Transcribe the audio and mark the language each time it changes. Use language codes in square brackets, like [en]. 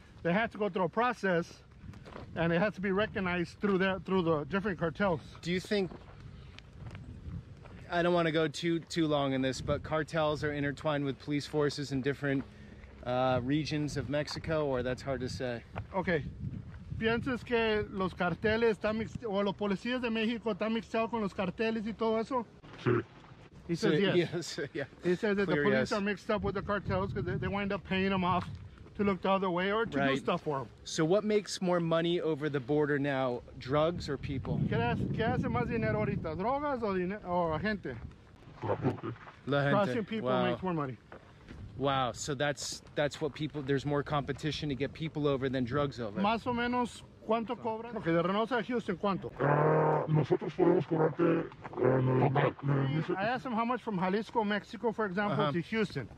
[en] They have to go through a process and it has to be recognized through the different cartels. Do you think... I don't want to go too long in this, but cartels are intertwined with police forces in different regions of Mexico, or that's hard to say. Okay. [es] ¿Piensas que los carteles están mixtos, o los policías de México están mixtados con los carteles y todo eso? Sí. [en] He says yes. Yes, yeah. He says that clear the police are mixed up with the cartels because they wind up paying them off to look the other way or to do stuff for them. So what makes more money over the border now, drugs or people? [es] ¿Qué hace más dinero ahorita, drogas o gente? La gente. [en] Crossing people makes more money. Wow, so that's what people, there's more competition to get people over than drugs over. [es] Más o menos, ¿cuánto cobran? Okay, de Reynosa a Houston, ¿cuánto? Nosotros podemos cobrarte [en] I asked him how much from Jalisco, Mexico, for example, to Houston.